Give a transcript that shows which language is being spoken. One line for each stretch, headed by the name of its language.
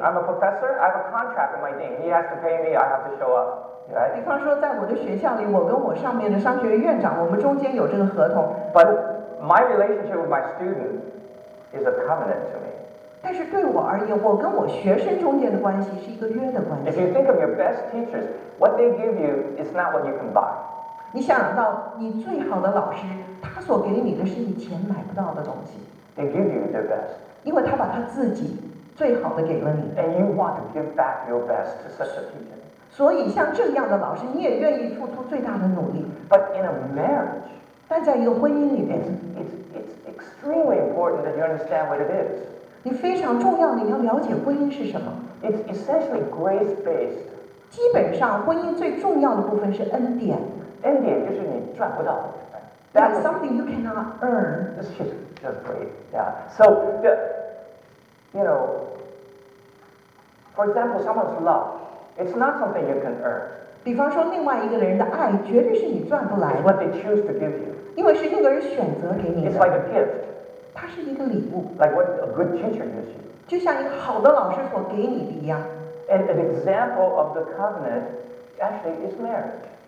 English: I'm a professor, I have a contract with my dean. He has to pay me, I have to show up. Right?
Chinese: 比方说在我的学校里，我跟我上面的商学院长，我们中间有这个合同。
English: But my relationship with my student is a covenant to me.
Chinese: 但是对我而言，我跟我学生中间的关系是一个约的关系。
English: If you think of your best teachers, what they give you is not what you can buy.
Chinese: 你想到你最好的老师，他所给你的是你钱买不到的东西。
English: They give you their best.
Chinese: 因为他把他自己最好的给了你。
English: And you want to give back your best to such a teacher.
Chinese: 所以像这样的老师，你也愿意付出最大的努力。
English: But in a marriage,
Chinese: 但在一个婚姻里面，
English: it's extremely important that you understand what it is.
Chinese: 你非常重要，你要了解婚姻是什么。
English: It's essentially grace based.
Chinese: 基本上，婚姻最重要的部分是恩典。恩典就是你赚不到的。
English: That's something you cannot earn. This is just great. Yeah. So, you know, for example, someone's love, it's not something you can earn.
Chinese: 比方说，另外一个人的爱绝对是你赚不来的。
English: It's what they choose to give you.
Chinese: 因为是那个人选择给你的。
English: It's like a gift.
Chinese: 它是一个礼物。
English: Like what a good teacher gives you.
Chinese: 就像一个好的老师所给你的一样。
English: And an example of the covenant actually is marriage.